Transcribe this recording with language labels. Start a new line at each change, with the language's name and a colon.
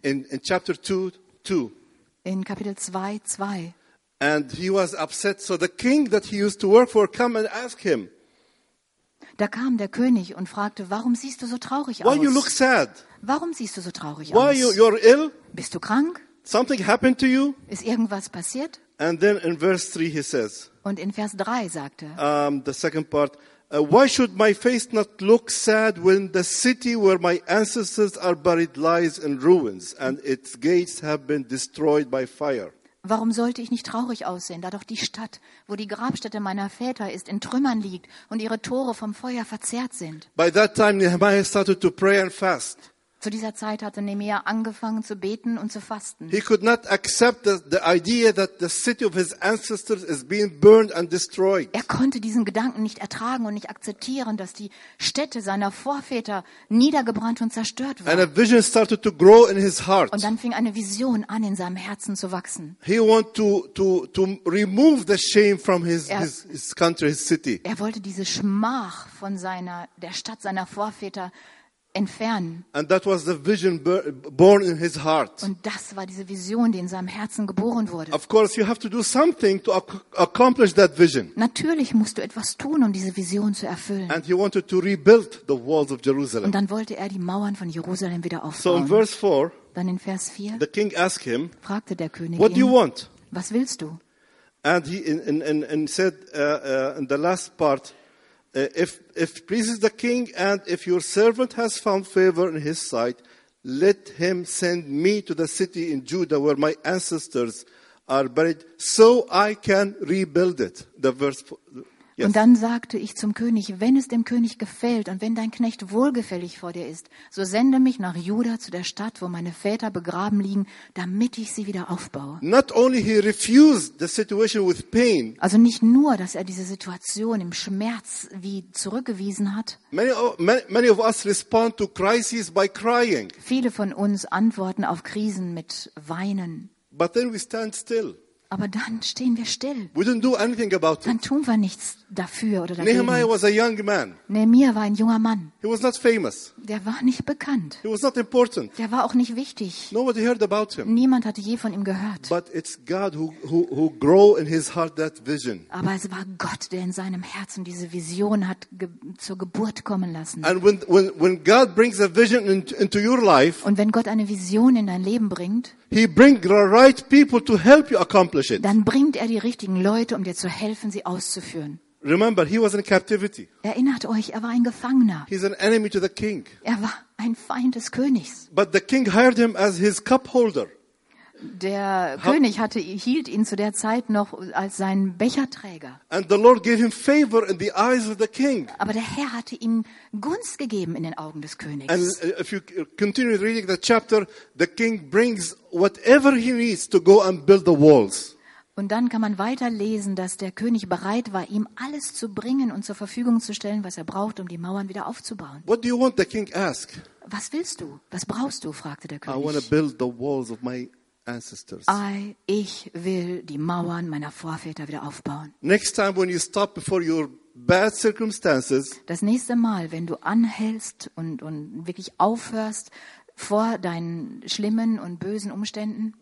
English: In chapter 2:2.
German: In Kapitel 2:2.
English: And he was upset, so the king that he used to work for came and asked him.
German: Da kam der König und fragte, warum siehst du so traurig aus?
English: Why you look sad?
German: Warum siehst du so traurig
English: Why
German: aus?
English: Why you're ill?
German: Bist du krank?
English: Something happened to you?
German: Ist irgendwas passiert?
English: And then in verse 3 he says.
German: Und in Vers 3 sagte.
English: The second part. Why should my face not look sad when the city where my ancestors are buried lies in ruins and its gates have been destroyed by fire?
German: Warum sollte ich nicht traurig aussehen, da doch die Stadt, wo die Grabstätte meiner Väter ist, in Trümmern liegt und ihre Tore vom Feuer verzerrt sind?
English: By that time Nehemiah started to pray and fast.
German: Zu dieser Zeit hatte Nehemia angefangen zu beten und zu fasten.
English: He could not accept the idea that the city of his ancestors is being burned and destroyed.
German: Er konnte diesen Gedanken nicht ertragen und nicht akzeptieren, dass die Städte seiner Vorväter niedergebrannt und zerstört waren.
English: And a vision started to grow in his heart.
German: Und dann fing eine Vision an, in seinem Herzen zu wachsen.
English: He wanted to remove the shame from his country, his city.
German: Er wollte diese Schmach von der Stadt seiner Vorväter entfernen.
English: And that was the vision born in his heart.
German: Und das war diese Vision, die in seinem Herzen geboren wurde.
English: Of course, you have to do something to accomplish that vision.
German: Natürlich musst du etwas tun, um diese Vision zu erfüllen.
English: And he wanted to rebuild the walls of Jerusalem.
German: Und dann wollte er die Mauern von Jerusalem wieder aufbauen.
English: So in verse 4,
German: dann in Vers 4,
English: the king asked him,
German: fragte der König
English: what
German: ihn,
English: do you want?
German: Was willst du?
English: And he and said in the last part, If pleases the king and if your servant has found favor in his sight, let him send me to the city in Judah where my ancestors are buried, so I can rebuild it. The verse. Yes.
German: Und dann sagte ich zum König, wenn es dem König gefällt und wenn dein Knecht wohlgefällig vor dir ist, so sende mich nach Juda zu der Stadt, wo meine Väter begraben liegen, damit ich sie wieder aufbaue.
English: Not only he refused the situation with pain,
German: also nicht nur, dass er diese Situation im Schmerz wie zurückgewiesen hat.
English: Many of us respond to crises by crying.
German: Viele von uns antworten auf Krisen mit Weinen.
English: But then we stand still.
German: Aber dann stehen wir still.
English: We didn't do anything about it.
German: Dann tun wir nichts dafür oder dagegen.
English: Nehemiah was a young man.
German: Nehemiah war ein junger Mann.
English: He was not famous.
German: Der war nicht bekannt.
English: He was not important.
German: Der war auch nicht wichtig.
English: Nobody heard about him.
German: Niemand hatte je von ihm gehört.
English: But it's God who grew in his heart that vision.
German: Aber es war Gott, der in seinem Herzen diese Vision hat zur Geburt kommen lassen.
English: And when God brings a vision into your life.
German: Und wenn Gott eine Vision in dein Leben bringt.
English: He brings the right people to help you accomplish it.
German: Dann bringt er die richtigen Leute, um dir zu helfen, sie auszuführen.
English: Remember, he was in captivity.
German: Erinnert euch, er war ein Gefangener.
English: He's an enemy to the king.
German: Er war ein Feind des Königs.
English: But the king hired him as his cup holder.
German: Der König hielt ihn zu der Zeit noch als seinen Becherträger.
English: And the Lord gave him favor in the eyes of the king.
German: Aber der Herr hatte ihm Gunst gegeben in den Augen des Königs.
English: And if you continue reading the chapter, the king brings whatever he needs to go and build the walls.
German: Und dann kann man weiterlesen, dass der König bereit war, ihm alles zu bringen und zur Verfügung zu stellen, was er braucht, um die Mauern wieder aufzubauen.
English: What do you want, the king asked?
German: Was willst du? Was brauchst du? Fragte der König.
English: I want to build the walls of my ancestors.
German: Ich will die Mauern meiner Vorväter wieder aufbauen.
English: Next time when you stop before your bad circumstances.
German: Das nächste Mal, wenn du anhältst und wirklich aufhörst vor deinen schlimmen und bösen Umständen.